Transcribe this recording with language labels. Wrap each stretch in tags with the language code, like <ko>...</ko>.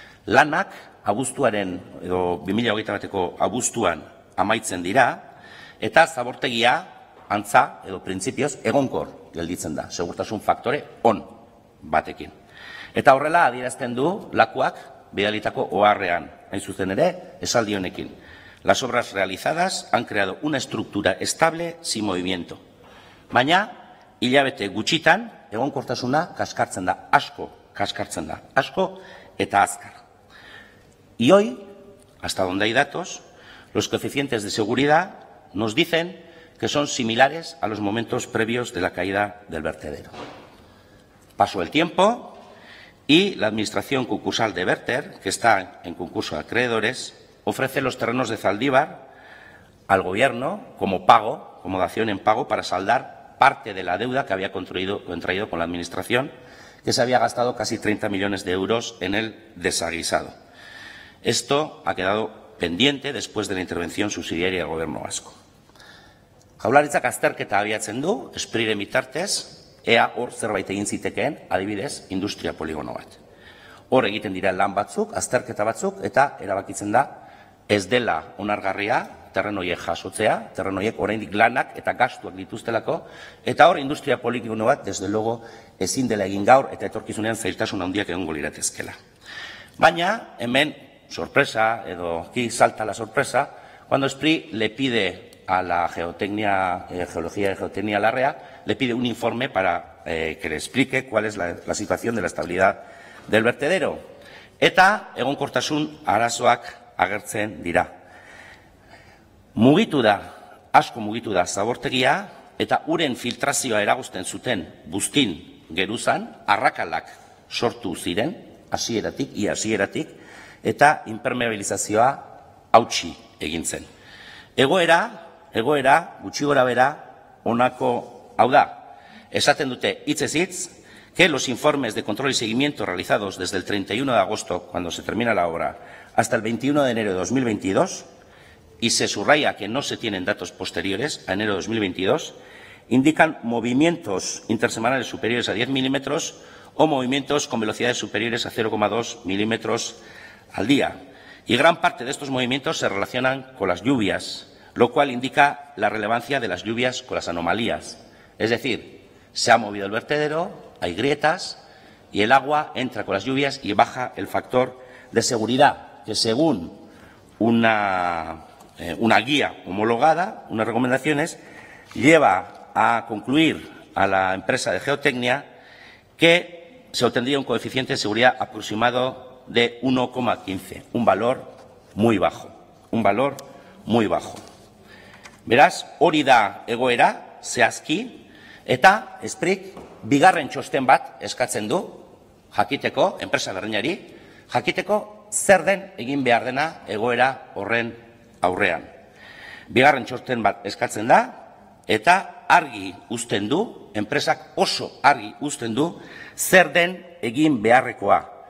<eu>Lanak abuztuaren, edo 2021ko abuztuan amaitzen dira, eta zabortegia antza, edo printzipioz, egonkor gelditzen da, segurtasun faktore on batekin. Eta horrela adierazten du lakuak bidalitako oharrean, hain zuzen ere, esaldi honekin.</eu> <es>Las obras realizadas han creado una estructura estable sin movimiento.</es> <eu>Baina, hilabete gutxitan, egonkortasuna kaskartzen da, asko kaskartzen da, asko eta azkar.</eu> <es>Y hoy, hasta donde hay datos, los coeficientes de seguridad nos dicen que son similares a los momentos previos de la caída del vertedero. Pasó el tiempo y la administración concursal de Verter, que está en concurso de acreedores, ofrece los terrenos de Zaldibar al gobierno como pago, como dación en pago, para saldar parte de la deuda que había contraído con la administración, que se había gastado casi 30 millones de euros en el desaguisado. Esto ha quedado pendiente después de la intervención subsidiaria del Gobierno vasco.</es> <eu>Jaurlaritzak azterketa abiatzen du, Spriren bitartez, ea hor zerbait egin zitekeen, adibidez, industria poligono bat. Hor egiten dira lan batzuk, azterketa batzuk, eta erabakitzen da, ez dela onargarria, terrenoiek jasotzea, terrenoiek oraindik lanak eta gastuak dituztelako, eta hor industria poligono bat,</eu> <es>desde logo,</es> <eu>ezin dela egin gaur, eta etorkizunean zailtasun handiak egongo liratezkela. Baina, hemen, sorpresa, edo</eu> <es>aquí salta la sorpresa, cuando Spri le pide a la geotecnia, geología y geotecnia Larrea, le pide un informe para que le explique cuál es la situación de la estabilidad del vertedero.</es> <eu>Eta egonkortasun arazoak agertzen dira. Mugitu da, asko mugitu da zabortegia, eta uren filtrazioa eragusten zuten buztin geruzan, arrakalak sortu ziren, hasieratik, ia hasieratik, eta impermeabilizazioa hautsi egin zen. Egoera gutxi gora bera honako hau da. Esaten dute hitzez hitz</eu> <es>que los informes de control y seguimiento realizados desde el 31 de agosto, cuando se termina la obra, hasta el 21 de enero de 2022, y se subraya que no se tienen datos posteriores a enero de 2022, indican movimientos intersemanales superiores a 10 milímetros o movimientos con velocidades superiores a 0,2 milímetros al día. Y gran parte de estos movimientos se relacionan con las lluvias, lo cual indica la relevancia de las lluvias con las anomalías. Es decir, se ha movido el vertedero, hay grietas y el agua entra con las lluvias y baja el factor de seguridad, que según una guía homologada, unas recomendaciones, lleva a concluir a la empresa de geotecnia que se obtendría un coeficiente de seguridad aproximado de 1,15, un valor muy bajo, un valor muy bajo.</es> <eu>Beraz, hori da egoera, zehazki, eta Sprit bigarren txosten bat eskatzen du, jakiteko, enpresa berriñari, jakiteko zer den egin behar dena egoera horren aurrean. Bigarren txosten bat eskatzen da, eta argi uzten du, enpresak oso argi uzten du, zer den egin beharrekoa.</eu>